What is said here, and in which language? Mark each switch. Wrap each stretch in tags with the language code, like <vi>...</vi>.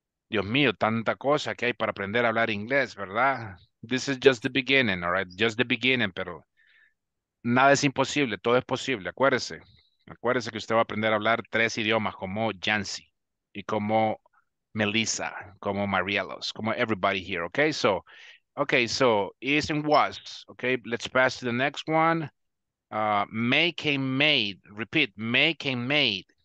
<es>Dios mío, tanta cosa que hay para aprender a hablar inglés, ¿verdad?</es> <en>This is just the beginning, all right, just the beginning, pero...</en> <es>Nada es imposible, todo es posible, acuérdese. Acuérdese que usted va a aprender a hablar tres idiomas, como Yancy, y como Melissa, como Marielos, como</es> <en>everybody here, okay? So, is and was, okay? Let's pass to the next one. Make and made, repeat, make and made.</en>